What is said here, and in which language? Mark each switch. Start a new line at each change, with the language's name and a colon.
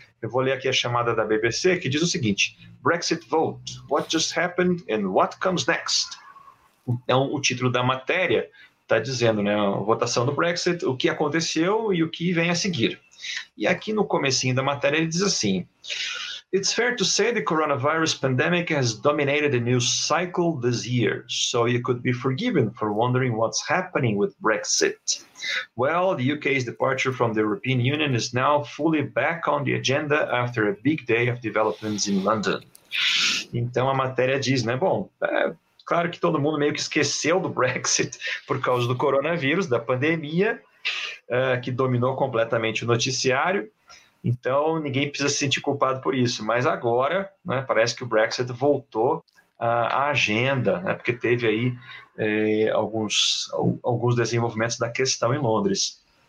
Portuguese: Eu vou ler aqui a chamada da BBC, que diz o seguinte:
English: Brexit vote, what just happened and what comes next?
Portuguese: Então, o título da matéria está dizendo, né, votação do Brexit, o que aconteceu e o que vem a seguir. E aqui no comecinho da matéria ele diz assim:
English: It's fair to say the coronavirus pandemic has dominated the news cycle this year, so you could be forgiven for wondering what's happening with Brexit. Well, the UK's departure from the European Union is now fully back on the agenda after a big day of developments in London.
Portuguese: Então a matéria diz, né? Bom, claro que todo mundo meio que esqueceu do Brexit por causa do coronavírus, da pandemia, que dominou completamente o noticiário. Então, ninguém precisa se sentir culpado por isso. Mas agora, né, parece que o Brexit voltou à agenda, né, porque teve aí alguns desenvolvimentos da questão em Londres.